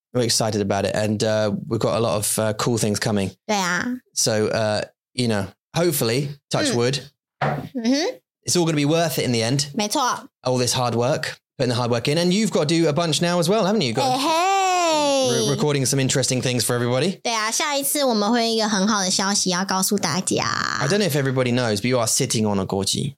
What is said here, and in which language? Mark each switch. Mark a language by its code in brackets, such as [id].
[en] We're excited about it, and we've got a lot of cool things coming. [zh] 对啊. [en] So you know. Hopefully, touch wood, it's all going to be worth it in the end. [zh] 没错. [en] All this hard work, putting the hard work in. And you've got to do a bunch now as well, haven't you? Hey, hey. Recording some interesting things for everybody. [zh] 对啊,下一次我们会有一个很好的消息要告诉大家. [en] I don't know if everybody knows, but you are sitting on a [zh] 国旗.